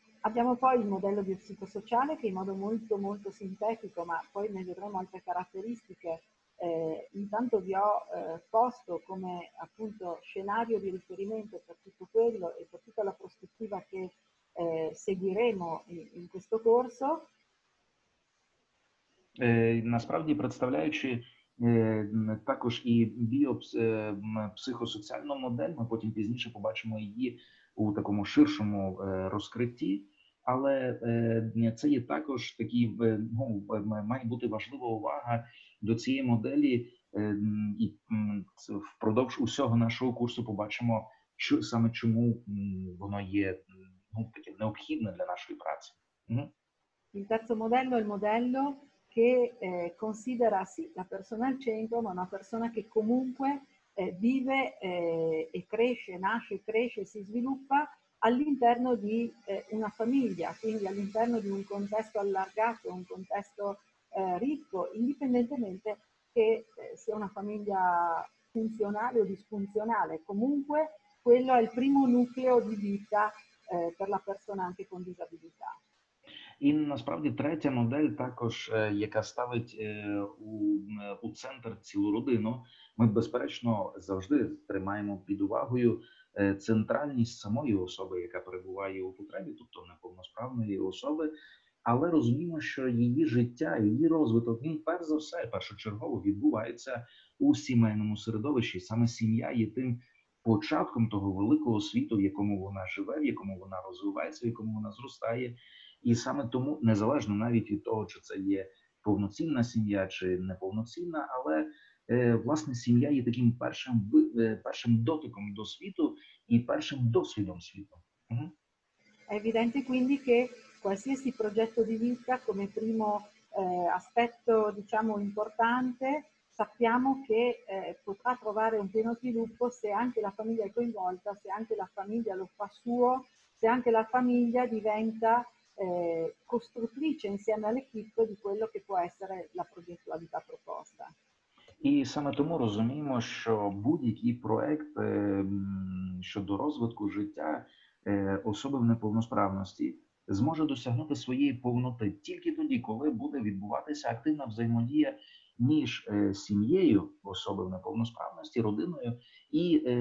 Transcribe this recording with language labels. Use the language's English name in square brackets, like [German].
[Italian] Abbiamo poi il modello di psicosociale, che in modo molto molto sintetico, ma poi ne vedremo altre caratteristiche, intanto vi ho posto come appunto scenario di riferimento per tutto quello e per tutta la prospettiva che seguiremo in questo corso. [Ukrainian] Насправді, представляючи також і біопсихосоціальну модель, ми потім пізніше побачимо її у такому ширшому розкритті, але це є також такий, ну, має бути важлива увага до цієї моделі, і впродовж усього нашого курсу побачимо, що саме чому воно є, ну, таке необхідне для нашої праці. [Italian] Il terzo modello è il modello che considera sì la persona al centro, ma una persona che comunque vive e cresce, nasce, cresce, si sviluppa all'interno di una famiglia, quindi all'interno di un contesto allargato, un contesto ricco, indipendentemente che sia una famiglia funzionale o disfunzionale. Comunque, quello è il primo nucleo di vita per la persona anche con disabilità. [Ukrainian] І насправді третя модель також, яка ставить у центр цілу родину, ми безперечно завжди тримаємо під увагою центральність самої особи, яка перебуває у потребі, тобто неповносправної особи, але розуміємо, що її життя, її розвиток, він перш за все, першочергово відбувається у сімейному середовищі. Саме сім'я є тим початком того великого світу, в якому вона живе, в якому вона розвивається, в якому вона зростає. І саме тому, незалежно навіть від того, чи це є повноцінна сім'я, чи неповноцінна, але власне сім'я є таким першим дотиком до світу і першим досвідом світу. [Italian] È evidente quindi che qualsiasi progetto di vita come primo aspetto, diciamo, importante, sappiamo che potrà trovare un pieno sviluppo se anche la famiglia è coinvolta, se anche la famiglia lo fa suo, se anche la famiglia diventa costruttrice insieme all'equipe di quello che può essere la progettualità proposta. [Ukrainian] І саме тому розуміємо, що будь-який проект щодо розвитку життя особи в неповносправності зможе досягнути своєї повноти тільки тоді, коли буде відбуватися активна взаємодія між сім'єю особи в неповносправності, родиною і